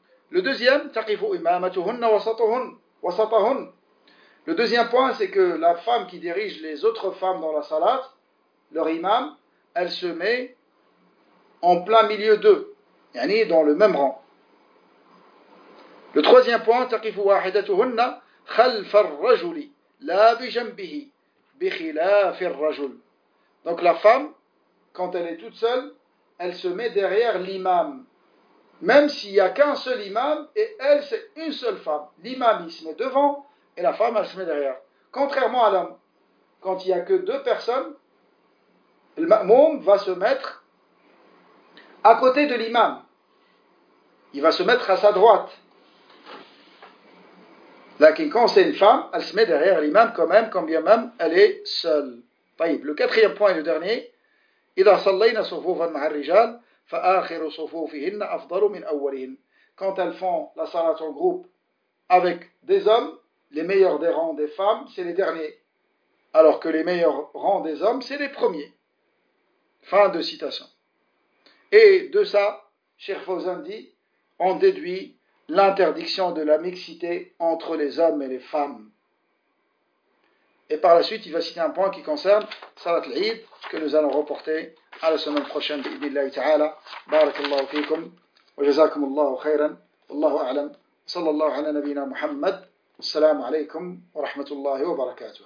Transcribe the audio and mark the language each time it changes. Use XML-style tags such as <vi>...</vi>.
<fr>Le deuxième,</fr> <ar>taqifu imamatuhunna wasatahun.</ar> <fr>Le deuxième point, c'est que la femme qui dirige les autres femmes dans la salat, leur imam, elle se met en plein milieu d'eux, yani dans le même rang. Le troisième point,</fr> <ar>taqifu wahidatuhunna خلف الرجل لا بجنبه بخلاف الرجل.</ar> <fr>Donc la femme, quand elle est toute seule, elle se met derrière l'imam, même s'il n'y a qu'un seul imam et elle c'est une seule femme. L'imam il se met devant et la femme elle se met derrière, contrairement à l'homme. Quand il n'y a que deux personnes, le ma'moum va se mettre à côté de l'imam, il va se mettre à sa droite. Lakin, quand c'est une femme, elle se met derrière l'imam quand même, quand bien même elle est seule. Le quatrième point et le dernier,</fr> <ar>إذا صلينا صفوفا مع الرجال فآخر صفوفهن أفضل من أولهن.</ar> <fr>Quand elles font la salat en groupe avec des hommes, les meilleurs des rangs des femmes, c'est les derniers. Alors que les meilleurs rangs des hommes, c'est les premiers. Fin de citation. Et de ça, Cheikh Fawzan dit, on déduit l'interdiction de la mixité entre les hommes et les femmes. Et par la suite, il va citer un point qui concerne Salat al-Eid, que nous allons reporter à la semaine prochaine,</fr> <ar>bi-idhnillahi ta'ala. Barakallahu fikum. وجزاكم الله خيرا والله أعلم صلى الله على نبينا محمد السلام عليكم ورحمة الله وبركاته</ar>